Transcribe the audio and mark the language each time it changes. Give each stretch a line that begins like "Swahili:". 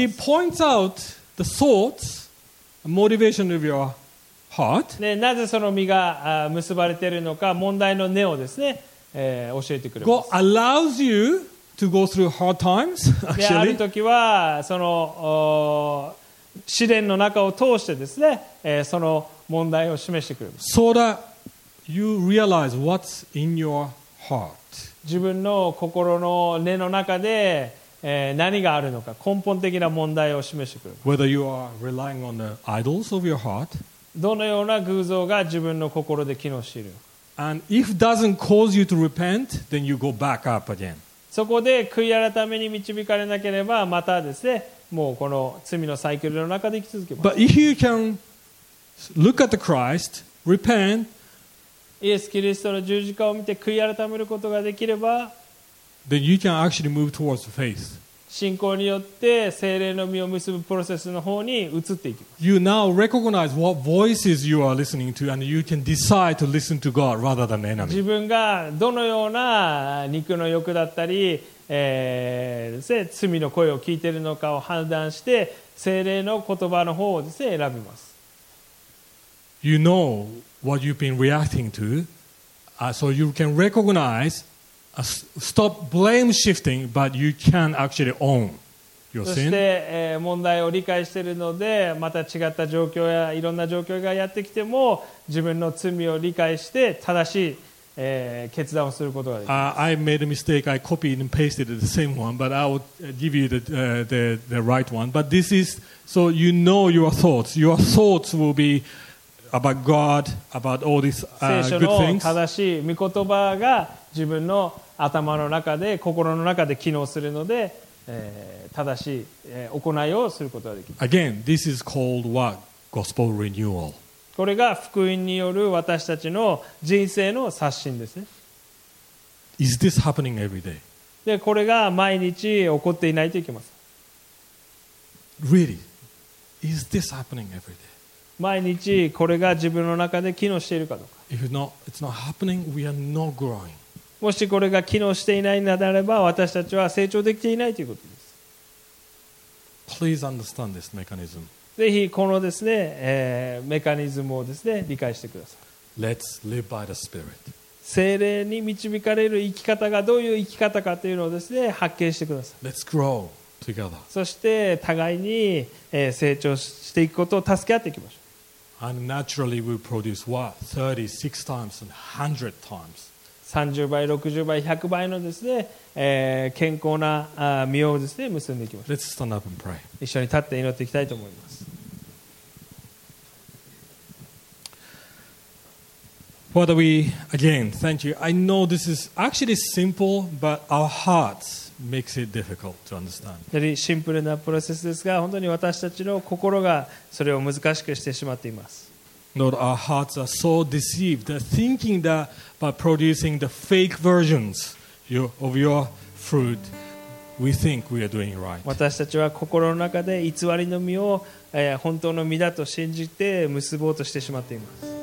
English: He points out the thoughts, motivation of your heart.
Japanese: なぜその身が結ばれているのか、問題の根をですね、教えてくれます。
English: God allows you to go through hard times, actually.
Japanese: ある時はその試練の中を通してですね、その問題を示してくれます。
English: So that you realize what's in your heart.
Japanese: 自分の心の根の中で何があるのか、根本的な問題を示してくれます。
English: Whether you are relying on the idols of your heart.
Japanese: どのような偶像が自分の心で機能しているのか。
English: And if it doesn't cause you to repent, then you go back up again.
Japanese: そこで悔い改めに導かれなければ、またですね、もうこの罪のサイクルの中で生き続けます。
English: But if you can look at the Christ, repent,
Japanese: イエス・キリストの十字架を見て悔い改めることができれば、
English: Then you can actually move towards faith.
Japanese: 信仰によって聖霊の実を結ぶプロセスの方に移っていきます。
English: You now recognize what voices you are listening to, and you can decide to listen to God rather than enemy.
Japanese: 自分がどのような肉の欲だったり、ですね、罪の声を聞いているのかを判断して聖霊の言葉の方をですね、選びます。
English: You know what you've been reacting to, so you can recognize. Stop blame shifting, but you can actually own your sin.
Japanese: そして、問題を理解しているので、また違った状況やいろんな状況がやってきても、自分の罪を理解して正しい、決断をすることができます。
English: I made a mistake. I copied and pasted the same one, but I will give you the right one. But this is so you know your thoughts. Your thoughts will be about God, about all these good things.
Japanese: 聖書の正しい御言葉が自分の頭の中で心の中で機能するので、正しい、行いをすることができます。
English: Again, this is called what? Gospel renewal.
Japanese: これが福音による私たちの人生の刷新ですね。
English: Is this happening every day?
Japanese: で、これが毎日起こっていないといけません。
English: Really? Is this happening every day?
Japanese: 毎日これが自分の中で機能しているかどうか。
English: If not, it's not happening, we are not growing.
Japanese: もしこれが機能していないのであれば、私たちは成長できていないということです。
English: Please understand this mechanism.
Japanese: ぜひこのですね、メカニズムをですね、理解してください。
English: Let's live by the Spirit.
Japanese: 聖霊に導かれる生き方がどういう生き方かというのをですね、発見してください。
English: Let's grow together.
Japanese: そして互いに成長していくことを助け合っていきましょう。
English: And naturally we produce what? 36 times and 100 times.
Japanese: 30倍、60倍、100倍のですね、健康な実をですね、結んでいきます。
English: Let's stand up and pray.
Japanese: 一緒に立って祈っていきたいと思います。
English: Father, we again thank you. I know this is actually simple, but our hearts makes it difficult to understand.
Japanese: よりシンプルなプロセスですが、本当に私たちの心がそれを難しくしてしまっています。
English: Lord, our hearts are so deceived, thinking that by producing the fake versions of your fruit, we think we are doing right.
Japanese: 私たちは心の中で偽りの実を本当の実だと信じて結ぼうとしてしまっています。